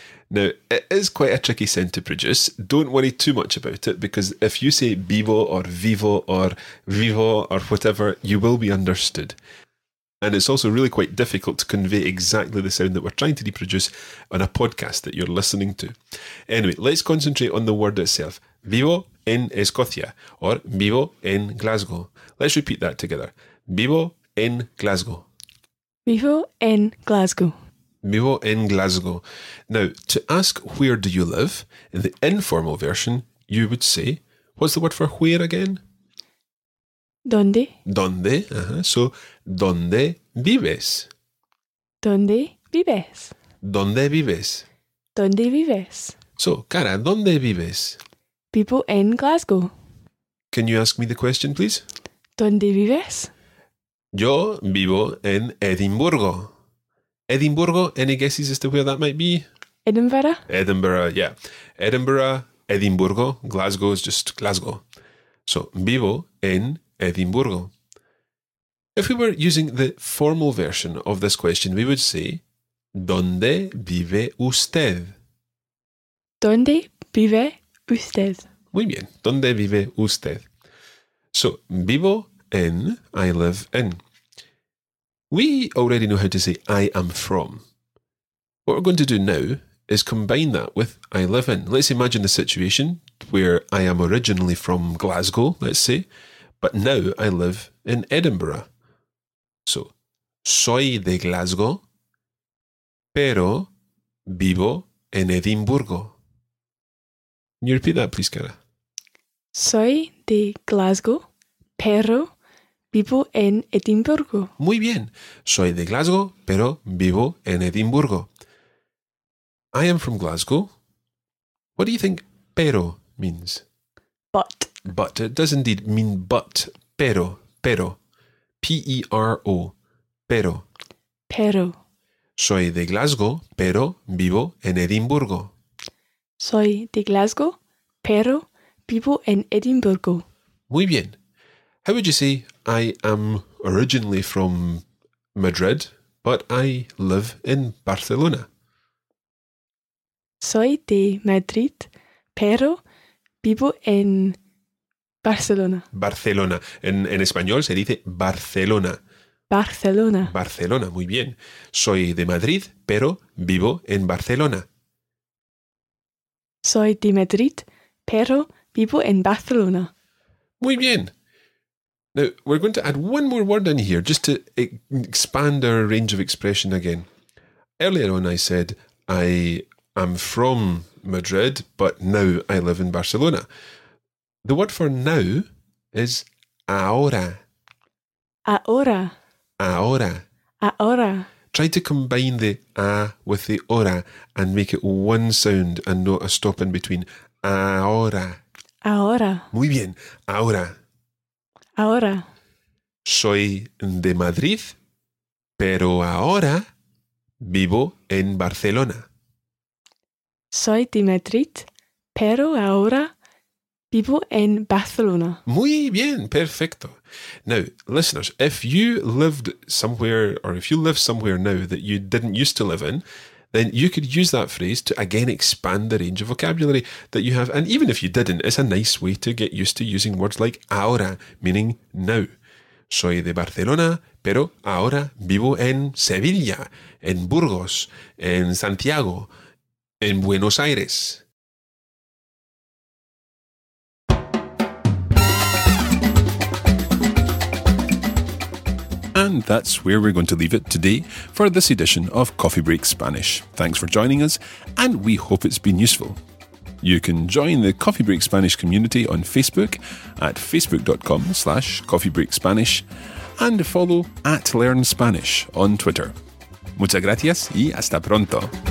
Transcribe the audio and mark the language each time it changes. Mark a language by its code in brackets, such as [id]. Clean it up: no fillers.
[en] Now, it is quite a tricky sound to produce. Don't worry too much about it, because if you say vivo or vivo or vivo or whatever, you will be understood. And it's also really quite difficult to convey exactly the sound that we're trying to reproduce on a podcast that you're listening to. Anyway, let's concentrate on the word itself. [es] Vivo en Escocia or vivo en Glasgow. [en] Let's repeat that together. [es] Vivo en Glasgow. Vivo en Glasgow. Vivo en Glasgow. [en] Now, to ask where do you live, in the informal version, you would say, what's the word for where again? [es] ¿Dónde? ¿Dónde? Uh-huh. So, ¿dónde vives? ¿Dónde vives? ¿Dónde vives? ¿Dónde vives? So, Cara, ¿dónde vives? Vivo en Glasgow. [en] Can you ask me the question, please? [es] ¿Dónde vives? Yo vivo en Edimburgo. [en] Edimburgo, any guesses as to where that might be? Edinburgh. Edinburgh, yeah. Edinburgh, Edimburgo, Glasgow is just Glasgow. So, [es] vivo en Edimburgo. [en] If we were using the formal version of this question, we would say, [es] ¿dónde vive usted? ¿Dónde vive usted? Muy bien, ¿dónde vive usted? [en] So, [es] vivo en, [en] I live in. We already know how to say I am from. What we're going to do now is combine that with I live in. Let's imagine the situation where I am originally from Glasgow, let's say, but now I live in Edinburgh. [es] So, soy de Glasgow, pero vivo en Edimburgo. [en] Can you repeat that, please, Cara? [es] Soy de Glasgow, pero vivo en Edimburgo. Muy bien. Soy de Glasgow, pero vivo en Edimburgo. [en] I am from Glasgow. What do you think pero means? But. But. It does indeed mean but. Pero. Pero. [es] P-E-R-O. Pero. Pero. Soy de Glasgow, pero vivo en Edimburgo. Soy de Glasgow, pero vivo en Edimburgo. Muy bien. [en] How would you say I am originally from Madrid, but I live in Barcelona? [es] Soy de Madrid, pero vivo en Barcelona. Barcelona. En español se dice Barcelona. Barcelona. Barcelona, muy bien. Soy de Madrid, pero vivo en Barcelona. Soy de Madrid, pero vivo en Barcelona. Muy bien. [en] Now, we're going to add one more word in here just to expand our range of expression again. Earlier on I said I am from Madrid, but now I live in Barcelona. The word for now is ahora. [es] Ahora. Ahora. Ahora. [en] Try to combine the a with the ora and make it one sound and not a stop in between. [es] Ahora. Ahora. Muy bien. Ahora. Ahora. Soy de Madrid, pero ahora vivo en Barcelona. Soy de Madrid, pero ahora vivo en Barcelona. Muy bien, perfecto. [en] Now, listeners, if you lived somewhere, or if you live somewhere now that you didn't used to live in, then you could use that phrase to again expand the range of vocabulary that you have. And even if you didn't, it's a nice way to get used to using words like ahora, meaning now. [es] Soy de Barcelona, pero ahora vivo en Sevilla, en Burgos, en Santiago, en Buenos Aires. [en] And that's where we're going to leave it today for this edition of Coffee Break Spanish. Thanks for joining us, and we hope it's been useful. You can join the Coffee Break Spanish community on Facebook at facebook.com/coffeebreakspanish and follow at Learn Spanish on Twitter. [es] Muchas gracias y hasta pronto.